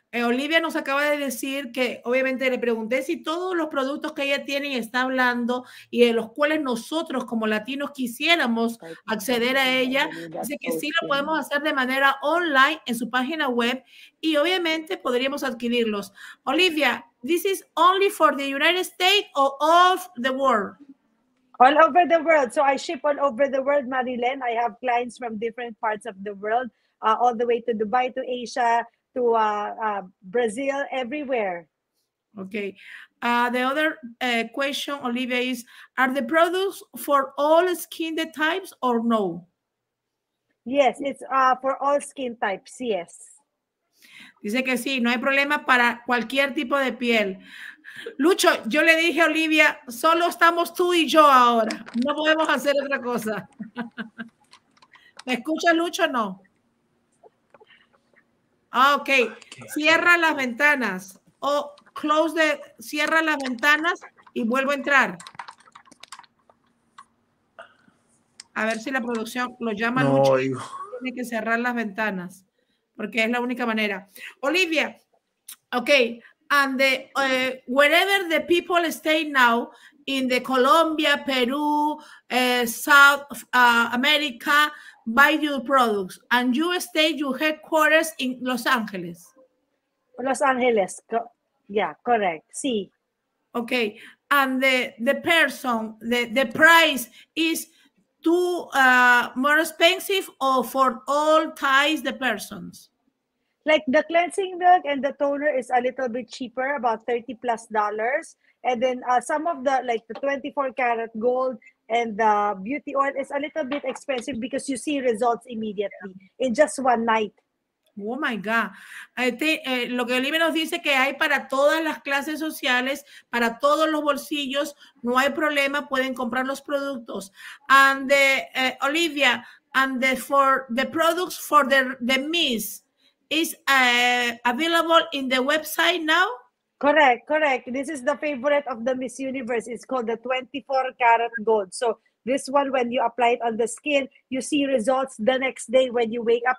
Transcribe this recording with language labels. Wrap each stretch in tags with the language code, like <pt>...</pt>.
<es>Olivia nos acaba de decir que, obviamente, le pregunté si todos los productos que ella tiene y está hablando y de los cuales nosotros como latinos quisiéramos acceder a ella, dice que sí lo podemos hacer de manera online en su página web y obviamente podríamos adquirirlos.</es> <en>Olivia, this is only for the United States or all the world? All over the world. So I ship all over the world, Marilyn. I have clients from different parts of the world. All the way to Dubai, to Asia, to Brazil, everywhere. Okay. The other question, Olivia, is, are the products for all skin types or no? Yes, it's for all skin types, yes.</en> <es>Dice que sí, no hay problema para cualquier tipo de piel. Lucho, yo le dije a Olivia, solo estamos tú y yo ahora. No podemos hacer otra cosa. ¿Me escucha, Lucho? No. Okay, cierra las ventanas.</es> <en>Oh, close the,</en> <es>cierra las ventanas y vuelvo a entrar. A ver si la producción lo llama. No, mucho. Hijo. Tiene que cerrar las ventanas, porque es la única manera. Olivia, ok.</es> <en>And the, wherever the people stay now, in the Colombia, Peru, South America, buy your products. And you stay your headquarters in Los Angeles. Los Angeles, yeah, correct, sí. Okay, and the person, the price is too more expensive or for all ties the persons? Like the cleansing milk and the toner is a little bit cheaper, about $30+. And then some of the, like the 24 karat gold and the beauty oil is a little bit expensive because you see results immediately in just one night. Oh my God.</en> <es>Lo que Olivia nos dice que hay para todas las clases sociales, para todos los bolsillos, no hay problema, pueden comprar los productos.</es> <en>And the, Olivia, and the, for the products for the Miss, is available in the website now? Correct, correct. This is the favorite of the Miss Universe. It's called the 24 karat gold. So this one, when you apply it on the skin, you see results the next day when you wake up.</en>